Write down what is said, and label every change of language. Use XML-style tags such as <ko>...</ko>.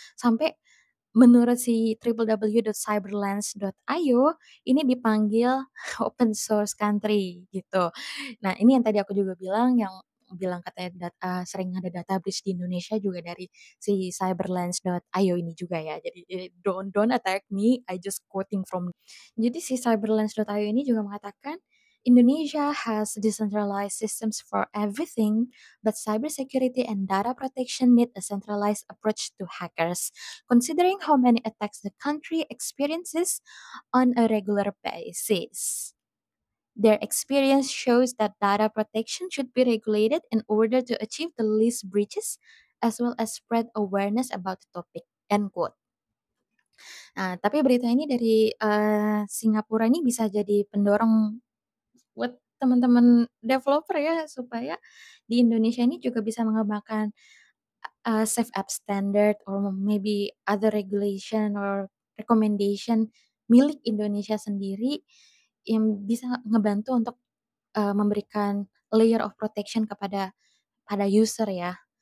<id>Sampai menurut si www.cyberlens.io ini dipanggil open source country gitu. Nah, ini yang tadi aku juga bilang, yang bilang katanya data, sering ada data breach di Indonesia juga dari si cyberlens.io ini juga ya. Jadi</id> <en>don't attack me, I just quoting from.</en> <id>Jadi si cyberlens.io ini juga mengatakan</id> <en>Indonesia has decentralized systems for everything, but cybersecurity and data protection need a centralized approach to hackers. Considering how many attacks the country experiences on a regular basis, their experience shows that data protection should be regulated in order to achieve the least breaches as well as spread awareness about the topic, end quote.</en> <id>Nah, tapi berita ini dari Singapura ini bisa jadi pendorong buat teman-teman developer ya, supaya di Indonesia ini juga bisa mengembangkan</id> <en>safe app standard or maybe other regulation or recommendation</en> <id>milik Indonesia sendiri yang bisa ngebantu untuk memberikan</id> <en>layer of protection</en> <id>kepada pada user ya.</id>